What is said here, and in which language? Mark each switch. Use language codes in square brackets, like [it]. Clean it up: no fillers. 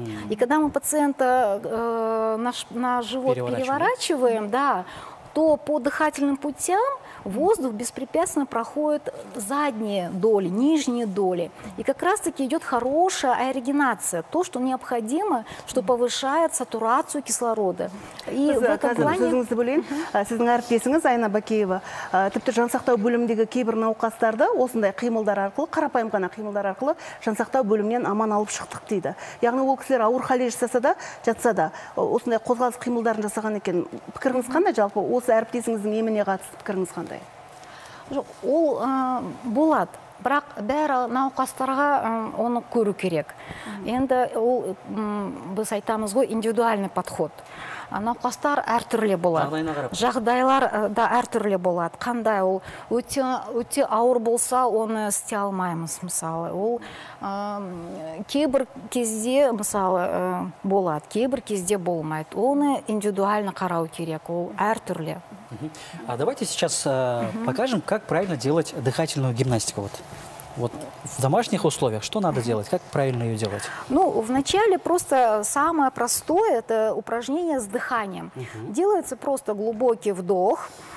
[ru] И когда мы пациента на живот переворачиваем, да, то по дыхательным путям воздух беспрепятственно проходит задние доли, нижние доли. И как раз-таки идет хорошая аэрогенация, то, что необходимо, что повышает сатурацию кислорода. И в этом плане... [kk] Сіздің сөзіңіз, сіздің әріптесіңіз Айна Бакеева, тіпті жансақтау бөлімдегі кейбір науқастарды осындай қимылдар арқылы, қарапайым ғана қимылдар арқылы жансақтау бөлімнен аман алып шықтық дейді. Яғни ол кісілер ауыр халде жатса да, жатса да, осындай қозғалыс қимылдарын жасаған екен. Пікіріңіз қандай жалпы осы әріптесіңіздің еміне қатысты пікіріңіз? Ол болат, бірақ бәрі науқастарға оны көру керек. Енді ол, біз айтамыз ғой, [ru] индивидуальный подход. [kk] Науқастар әртүрлі болады. Жағдайлар да әртүрлі болады. Қандай ол, өте ауыр болса, оны істе алмаймыз, мысалы. Ол кейбір кезде, мысалы, болады, кейбір кезде болмайды. Оны индивидуально қарау керек, ол әртүрлі. [ru] А давайте сейчас покажем, как правильно делать дыхательную гимнастику. Вот в домашних условиях что надо делать, как правильно ее делать? Ну, вначале просто самое простое – это упражнение с дыханием. Делается просто глубокий вдох.